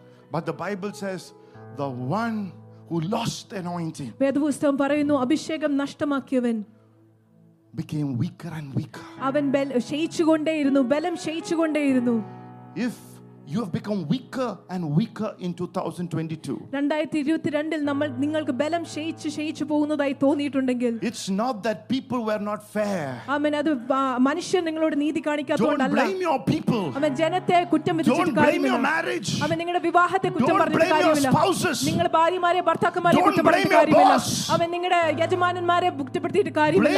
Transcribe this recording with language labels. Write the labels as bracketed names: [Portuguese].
[English] But the Bible says the one who lost the anointing. [Malayalam] വേദപുസ്തകം പറയുന്നു അഭിഷേകം നഷ്ടമാക്കിയവൻ [English] became weaker and weaker. [Malayalam] അവൻ ക്ഷയിച്ചുകൊണ്ടേയിരുന്നു ബലം ക്ഷയിച്ചുകൊണ്ടേയിരുന്നു. [English] If you have become weaker and weaker in 2022 2022 [Malayalam] നമ്മൾ നിങ്ങൾക്ക് ബലം ക്ഷയിച്ചു പോകുന്നതായി തോന്നിയിട്ടുണ്ടെങ്കിൽ [English] it's not that people were not fair. [Malayalam] അമ്മേ അത് മനുഷ്യൻ നിങ്ങളോട് നീതി കാണിക്കാത്തതുകൊണ്ടല്ല. [English] Don't blame your people. [Malayalam] അമ്മേ ജനത്തെ കുറ്റം വിധിച്ചിട്ട് കാര്യമില്ല. [English] Don't blame your marriage. [Malayalam] അമ്മേ നിങ്ങളുടെ വിവാഹത്തെ കുറ്റം പറഞ്ഞിട്ട് കാര്യമില്ല. [English] Don't blame your spouses. [Malayalam] നിങ്ങളുടെ ഭാര്യമാരെ ഭർത്താക്കന്മാരെ കുറ്റം പറഞ്ഞിട്ട് കാര്യമില്ല. അമ്മേ നിങ്ങളുടെ യജമാനന്മാരെ കുറ്റപ്പെടുത്തിയിട്ട് കാര്യമില്ല.